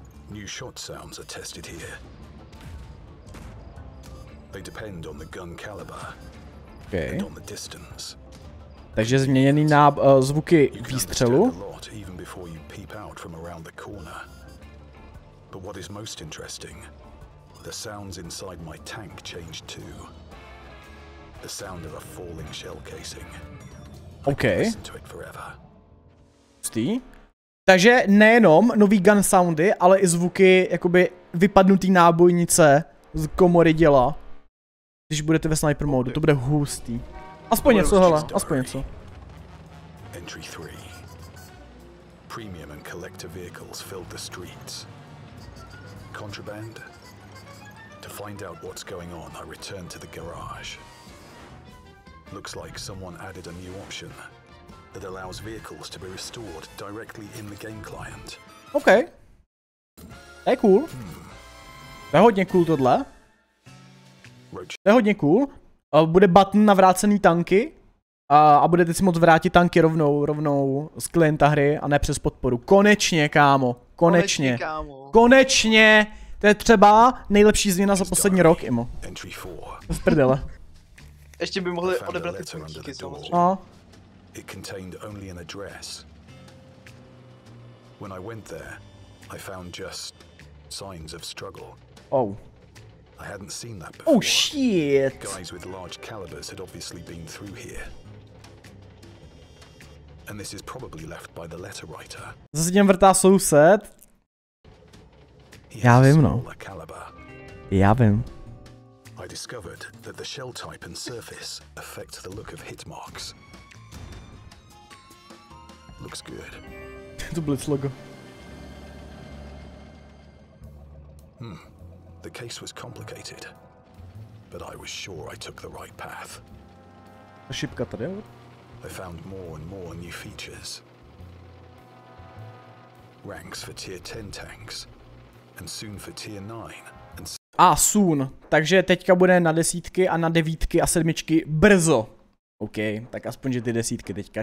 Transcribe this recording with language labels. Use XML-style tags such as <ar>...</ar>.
<en>New shot sounds are tested here. They depend on the gun caliber and on the distance.</en> <cs>Takže změněný na zvuky výstřelu.</cs> <en>Even before you peep out from around the corner. But what is most interesting, the sounds inside my tank changed too. The sound of a falling shell casing. Okay. Pustý.</en> <cs>Takže nejenom nový gun soundy, ale i zvuky jakoby vypadnutý nábojnice z komory děla. Když budete ve sniper modu, to bude hustý. Aspoň něco, hele, aspoň něco.</cs> <en>Entry 3. Premium and collector vehicles filled the streets. Contraband. To find out what's going on, I return to the garage. Looks like someone added a new option that allows vehicles to be restored directly in the game client.</en> <cs>Okay. To je cool. To je hodně cool tohle. To je hodně cool. Bude button na vrácený tanky a budete si moct vrátit tanky rovnou z klienta hry a ne přes podporu. Konečně, kámo. Konečně. Konečně. To je třeba nejlepší změna za poslední rok, Imo. V prdele. Ještě by mohli odebrat ty tanky, samozřejmě.</cs> <en>It contained only an address. When I went there, I found just signs of struggle. I hadn't seen that before. Oh shit! Guys with large calibers had obviously been through here. And this is probably left by the letter writer.</en> <cs>Zase jen vrtá soused. Já vím, no. Já vím.</cs> <en>I discovered that the shell type and surface affect the look of hit marks. Looks good. To Blitz logo. The case was complicated, but I was sure I took the right path.</en> <cs>A šipka tady, jo?</cs> <en>I found more and more new features. Ranks for tier 10 tanks, and soon for tier 9. And... Ah, soon.</en> <cs>Takže teďka bude na desítky a na devítky a sedmičky brzo. OK, tak aspoň že ty desítky teďka.</cs>